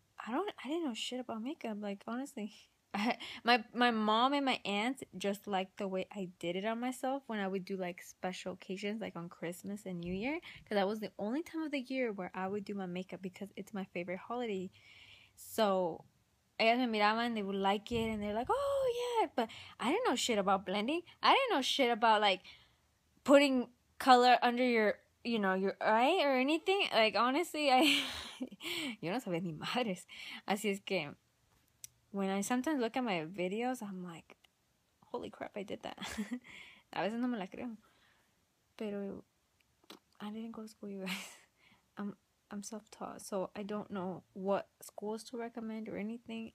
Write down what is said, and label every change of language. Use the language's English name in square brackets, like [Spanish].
[English] I didn't know shit about makeup, like, honestly. My mom and my aunts just liked the way I did it on myself when I would do, like, special occasions, like on Christmas and New Year, because that was the only time of the year where I would do my makeup because it's my favorite holiday. So [Spanish] ellas me miraban [English] and they would like it, and they're like, oh yeah. But I didn't know shit about blending. I didn't know shit about, like, putting color under your eye or anything. Like, honestly, I [Spanish] yo no sabía ni madres. Así es que [English] when I sometimes look at my videos, I'm like, holy crap, I did that. [Spanish] A veces no me la creo. [English] Pero I didn't go to school, you guys. I'm self-taught, so I don't know what schools to recommend or anything.